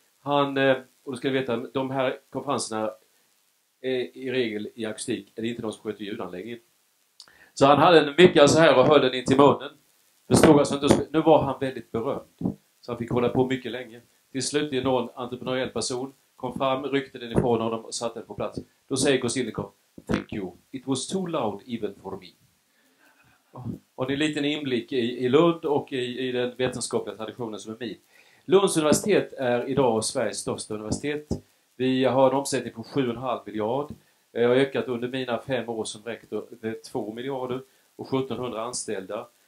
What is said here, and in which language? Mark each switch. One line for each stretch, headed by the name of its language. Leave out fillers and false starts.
Swedish: Han, och då ska jag veta, de här konferenserna i regel i akustik, är det inte de som sköter ljudanläggningen. Så han hade en micka så här och höll den in till munnen. Förstod alltså inte, nu var han väldigt berömd. Så han fick hålla på mycket länge. Till slut är någon entreprenöriell person kom fram, ryckte den ifrån honom och satte den på plats. Då säger
English: Kosinnikov, thank you, it was too loud even for me.
Swedish: Och det är en liten inblick i Lund och i den vetenskapliga traditionen som är min. Lunds universitet är idag Sveriges största universitet. Vi har en omsättning på 7,5 miljard. Jag har ökat under mina 5 år som rektor med 2 miljarder och 1700 anställda.